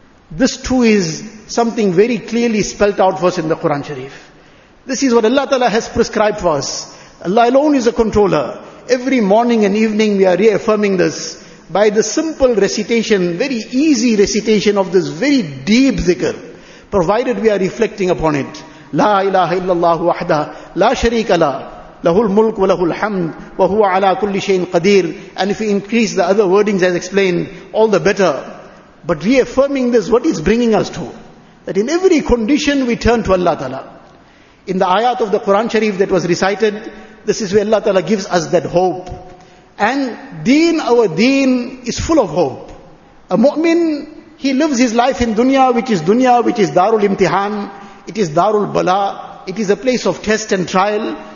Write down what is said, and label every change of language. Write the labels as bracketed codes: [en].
[en] This too is something very clearly spelt out for us in the Quran Sharif. This is what Allah Ta'ala has prescribed for us. Allah alone is a controller. Every morning and evening we are reaffirming this by the simple recitation, very easy recitation of this very deep zikr, provided we are reflecting upon it. [ar] لا إله إلا الله وحده لا شريك له له الملك وله الحمد وهو على كل شيء قدير. [en] And if we increase the other wordings as explained, all the better. But reaffirming this, what is bringing us to? That in every condition we turn to Allah Ta'ala. In the ayat of the Quran Sharif that was recited, this is where Allah Ta'ala gives us that hope. And deen, our deen is full of hope. A mu'min, he lives his life in dunya, which is darul imtihan, it is darul bala, it is a place of test and trial.